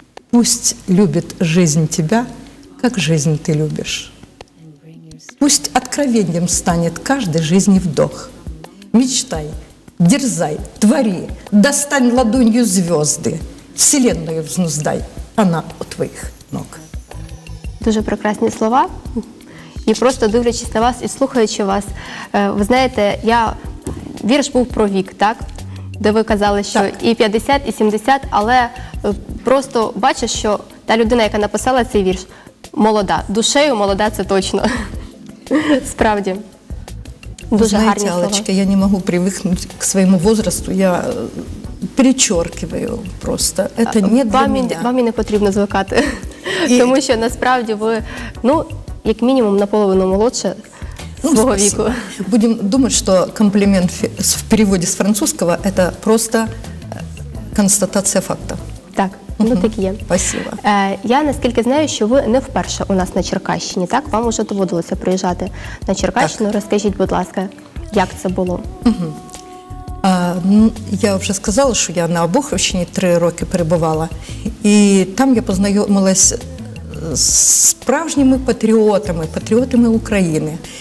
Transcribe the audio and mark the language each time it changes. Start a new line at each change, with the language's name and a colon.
Russian: Пусть любит жизнь тебя, как жизнь ты любишь. Пусть откровением станет каждый жизни вдох. Мечтай, дерзай, твори, достань ладонью звезды. Вселенную взнуздай, она у твоих ног.
Ukrainian: Дуже прекрасні слова. І просто дивлячись на вас і слухаючи вас, ви знаєте, я вірш був про вік, так? Де ви казали, що так. І 50, і 70, але просто бачиш, що та людина, яка написала цей вірш, молода. Душею молода, це точно. Справді. Дуже гарні слова. Знаєте, Алечка, я не можу привикнути к своєму возрасту. Я перечеркиваю просто. Це не для мене. Вам і не потрібно звикати. І... Тому що насправді ви, ну, як мінімум, наполовину молодше. Ну, свого віку.
Russian: Будем думать, что комплимент в переводе с французского – это просто констатация факта.
Ukrainian: Так, ну так є.
Russian: Спасибо.
Ukrainian: Я, наскільки знаю, що ви не вперше у нас на Черкащині, так? Вам уже доводилося приїжджати на Черкащину. Так. Розкажіть, будь ласка, як це було? Ну, я вже сказала, що я на Обухівщині 3 роки перебувала. І там я познайомилася з справжніми патріотами, патріотами України.